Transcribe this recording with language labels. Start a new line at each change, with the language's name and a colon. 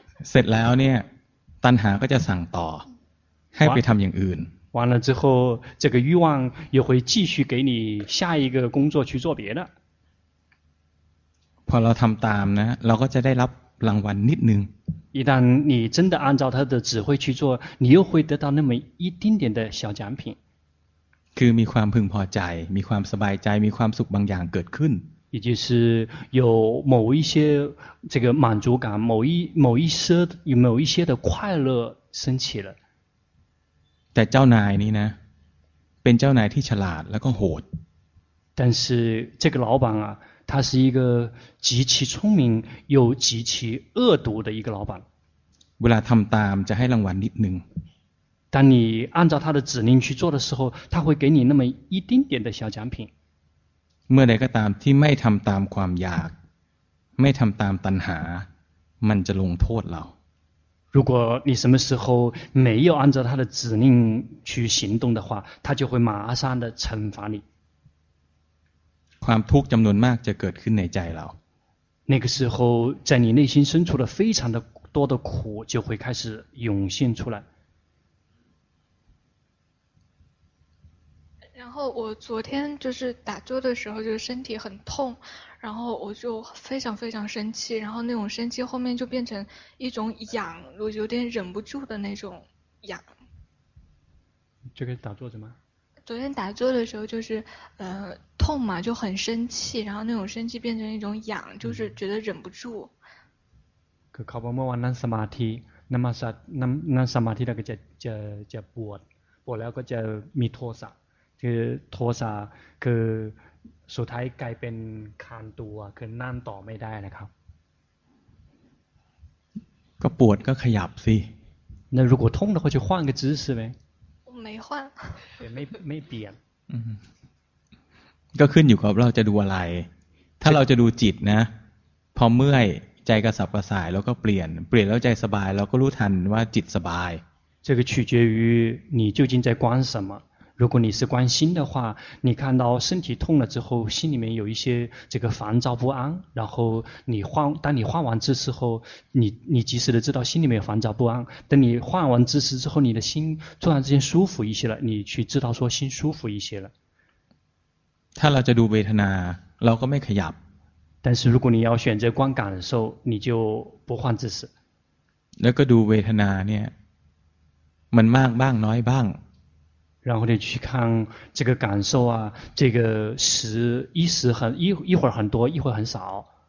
Thai: เสร็จแล้วเนี่ยตัณหาก็จะสั่งต่อให้ไปทำอย่างอื่น
Chinese: 完了之后这个欲望又会继续给你下一个工作去做别的
Thai: พอเราทำตามนะเราก็จะได้รับรางวัลนิดนึง
Chinese: 一旦你真的按照他的指挥去做你又会得到那么一丁点的小奖品
Thai: คือมีความพึงพอใจมีความสบายใจมีความสุขบางอย่างเกิดขึ้น
Chinese: 也就是有某一些这个满足感某一些的快乐升起了
Thai: แต่เจ้านายนี่นะเป็นเจ้านายที่ฉลาดแล้วก็โหด
Chinese: 但是这个老板啊，他是一个极其聪明又极其恶毒的一个老板。
Thai: เวลาทำตามจะให้รางวัลนิดหนึ่ง
Chinese: 当你按照他的指令去做的时候，他会给你那么一丁点的小奖品。
Thai: เมื่อใดก็ตามที่ไม่ทำตามความอยากไม่ทำตามตัณหามันจะลงโทษเรา
Chinese: 如果你什么时候没有按照他的指令去行动的话，他就会马上的惩罚你。
Thai: ความทุกข์จำนวนมากจะเกิดขึ้นในใจเรา
Chinese: 那个时候在你内心深处的非常的多的苦就会开始涌现出来。然后我昨天就是打坐的时候就身体很痛，然后我就非常非常生气，然后那种生气后面就变成一种痒，我有点忍不住的那种痒。这个打坐怎么？昨天打坐的时候就是痛嘛，就很生气，然后那种生气变成一种痒，就是觉得忍不住。
Thai: คือเขาบอกเมื่อวานนั่งสมาธินั่งมาสัตนั่งนั่งสมาธิแล้วก็จะปวดปวดแล้วก็จะมีโทสะคือโทสะคือสุดท้ายกลายเป็นคานตัวคือนั่งต่อไม่ได้นะครับ ก็ปวดก็ขยับสิ
Chinese: 那如果痛的话就换个姿势呗我没换
Thai: ไม่เปลี่ยน ก็ขึ้นอยู่กับเราจะดูอะไรถ้าเราจะดูจิตนะพอเมื่อยใจกระสับกระส่ายแล้วก็เปลี่ยนแล้วใจสบายเราก็รู้ทันว่าจิตสบาย
Chinese: 这个取决于你究竟在观什么。如果你是观心的话，你看到身体痛了之后，心里面有一些这个烦躁不安，然后你换，当你换完姿势后，你及时的知道心里面有烦躁不安。等你换完姿势之后，你的心突然之间舒服一些了，你去知道说心舒服一些了。
Thai: ถ้าเราจะดูเวทนาเราก็ไม่ขยับ
Chinese: 但是如果你要选择观感受，你就不换姿势。
Thai: แล้วก็ดูเวทนาเนี่ยมันมากบ้างน้อยบ้าง
Chinese: 然后你去看这个感受啊，这个时一时很一会儿很多，一会儿很少。